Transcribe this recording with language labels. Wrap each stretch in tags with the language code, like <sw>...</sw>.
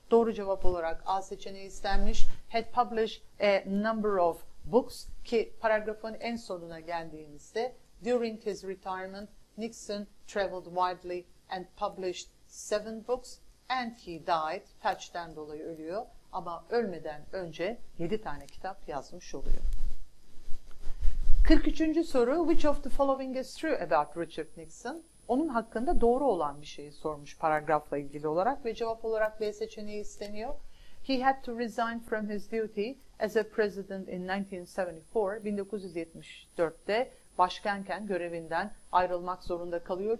<tr>Doğru cevap olarak A seçeneği istenmiş.</tr> <en>Had published a number of books</en> <tr>ki paragrafın en sonuna geldiğimizde</tr> <en>during his retirement Nixon traveled widely and published 7 books and he died.</en> <tr>Felçten dolayı ölüyor ama ölmeden önce 7 tane kitap yazmış oluyor. 43. soru,</tr> <en>which of the following is true about Richard Nixon?</en> <tr>Onun hakkında doğru olan bir şeyi sormuş paragrafla ilgili olarak ve cevap olarak B seçeneği isteniyor.</tr> <en>He had to resign from his duty as a president in 1974,</en> <tr>1974'te başkanken görevinden ayrılmak zorunda kalıyor.</tr>